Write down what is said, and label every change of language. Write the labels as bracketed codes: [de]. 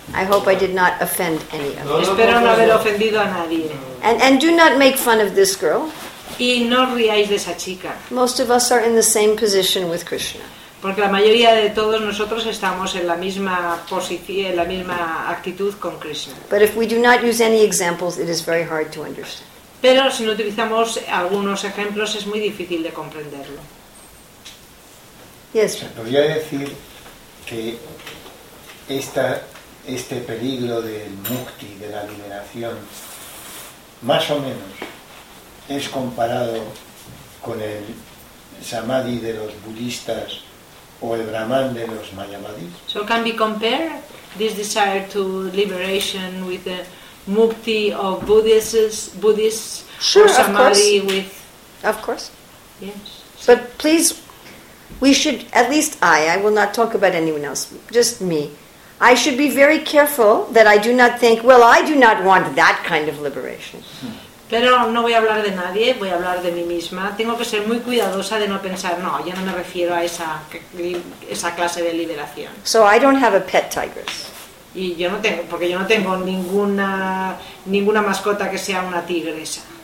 [en] I hope I did not offend any of you. [es] Espero no haber ofendido a nadie. [en] And do not make fun of this girl. [es] Y no riáis de esa chica. [en] Most of us are in the same position with Krishna. [es] Porque la mayoría de todos nosotros estamos en la misma posición, en la misma actitud con Krishna. [en] But if we do not use any examples, it is very hard to understand. [es] Pero si no utilizamos algunos ejemplos, es muy difícil de comprenderlo. [en] Yes. [es] ¿Se podría decir que este peligro del mukti, de la liberación, más o menos es comparado con el samadhi de los budistas o el brahman de los mayavadis? [en] So can we compare this desire to liberation with the mukti of Buddhists sure, or samadhi with? Of course. Yes. But please, we should, at least I will not talk about anyone else, just me. I should be very careful that I do not think, well, I do not want that kind of liberation. [es] Pero no voy a hablar de nadie, voy a hablar de mí misma. Tengo que ser muy cuidadosa de no pensar, no, yo no me refiero a esa clase de liberación. [en] So I don't have a pet tigress. [es] Y yo no tengo, porque yo no tengo ninguna mascota que sea una tigresa.